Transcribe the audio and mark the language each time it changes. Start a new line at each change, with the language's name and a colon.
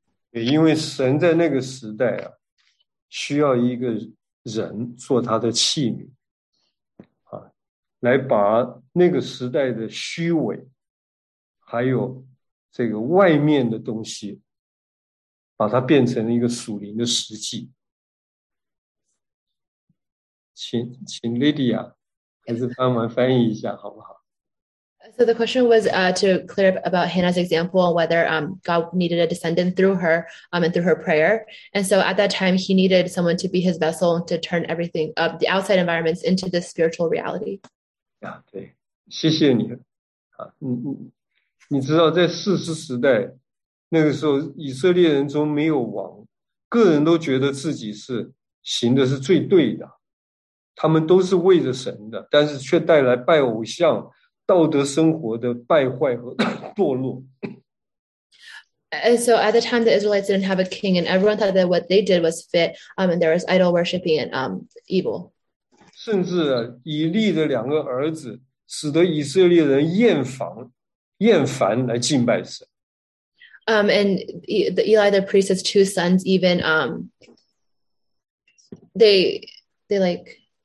Chinese: 对，因为神在那个时代啊，需要一个人做他的器皿，来把那个时代的虚伪，还有这个外面的东西，把它变成了一个属灵的实际。请 Lydia 还是帮忙翻译一下好不好
English: ？So the question was to clear up about Hannah's example and whether God needed a descendant through her and through her prayer. And so at that time, he needed someone to be his vessel to turn everything up the outside environments into the spiritual reality.
Chinese: 呀，对，谢谢你，你知道在士师时代那个时候，以色列人中没有王，个人都觉得自己是行的是最对的，他们都是为着神的，但是却带来拜偶像道德生活的败坏和堕落。
English: And so at the time the Israelites didn't have a king, and everyone thought that what they did was fit, and there was idol worshiping and evil.
Chinese: 甚至以利的两个儿子使得以色列人厌烦来敬拜神。
English: And the Eli the priest's two sons even they like